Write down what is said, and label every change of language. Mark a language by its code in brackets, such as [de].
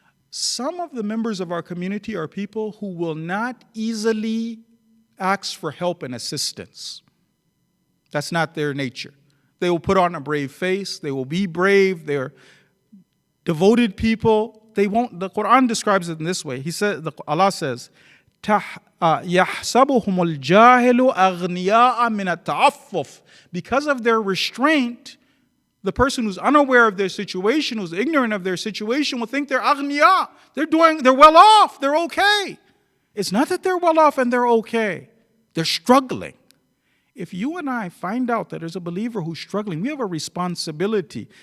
[en] Some of the members of our community are people who will not easily ask for help and assistance. That's not their nature. They will put on a brave face. They will be brave. They're devoted people. They won't. The Quran describes it in this way. He said, Allah says, [ar] يَحْسَبُهُمُ الْجَاهِلُ أَغْنِيَاءَ مِنَ التَّعَفُّفِ. [en] Because of their restraint, the person who's unaware of their situation, who's ignorant of their situation, will think they're أغْنِيَاء. They're well off. They're okay. It's not that they're well off and they're okay. They're struggling. If you and I find out that there's a believer who's struggling, we have a responsibility.